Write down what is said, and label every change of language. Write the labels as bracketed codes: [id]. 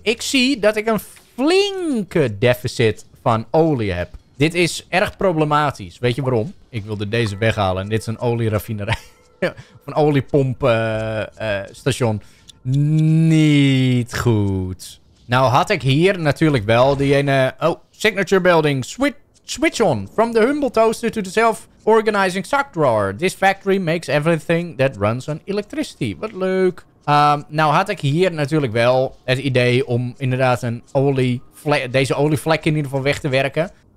[nl] Ik zie dat ik een flinke deficit van olie heb. Dit is erg problematisch. Weet je waarom? Ik wilde deze weghalen en dit is een olieraffinerij. Een oliepomp station. Niet goed. Nou had ik hier natuurlijk wel die ene. [en] Oh, signature building. Switch on. From the humble toaster to the self. Organizing sock drawer. This factory makes everything that runs on electricity. [nl] Wat leuk. Nou had ik hier natuurlijk wel het idee om inderdaad een deze olievlek in ieder geval weg te werken.